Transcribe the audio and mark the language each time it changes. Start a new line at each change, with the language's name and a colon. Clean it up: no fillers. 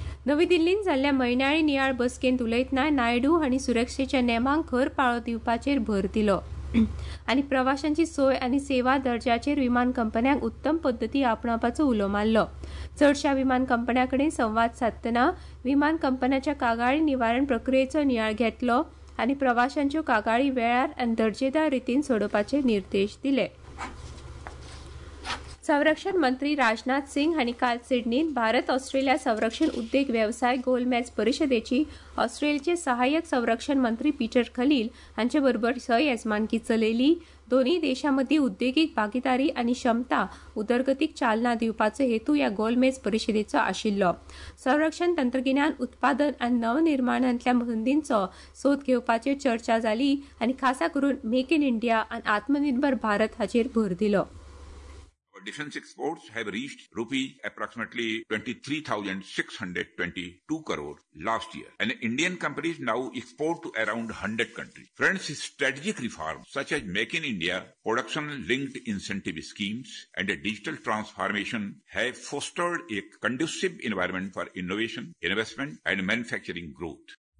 Goan Konkani: नवी दिल्लीन जाल्ल्या म्हयन्याळी नियाळ बसकेंत उलयतना नायडू हांणी सुरक्षेच्या नेमांक खर पाळो दिवपाचेर भर दिलो आनी प्रवाशांची सोय आनी सेवा दर्जाचेर विमान कंपन्यांक उत्तम पद्दती आपणावपाचो उलो मारलो. चडशा विमान कंपन्या कडेन संवाद साधतना विमान कंपन्याच्या कागाळी निवारण प्रक्रियेचो नियाळ घेतलो आनी प्रवाशांच्यो कागाळी वेळार आनी दर्जेदार रितीन सोडोवपाचे निर्देश दिले. संरक्षण मंत्री राजनाथ सिंग हांणी काल सिडनीत भारत ऑस्ट्रेलिया संरक्षण उद्देग वेवसाय गोलमेज परिषदेची ऑस्ट्रेलियाचे सहाय्यक संरक्षण मंत्री पीटर खलील हांचे बरोबर सयेजमानकी चलयली. दोनूय देशांमदीं उद्देगीक भागीदारी आनी क्षमता उदरगतीक चालना दिवपाचो हेतू ह्या गोलमेज परिषदेचो आशिल्लो. संरक्षण तंत्रगिन्यान उत्पादन आनी नवनिर्माणांतल्या संदींचो सोद घेवपाचेर चर्चा जाली आनी खासा करून मेक इन इंडिया आनी आत्मनिर्भर भारत हाचेर भर दिलो.
English: Defense exports have reached approximately 23,622 crore last year. And Indian companies now export to around 100 countries. Friends, strategic reforms such as Make in India, production-linked incentive schemes and a digital transformation have fostered a conducive environment for innovation, investment and manufacturing growth.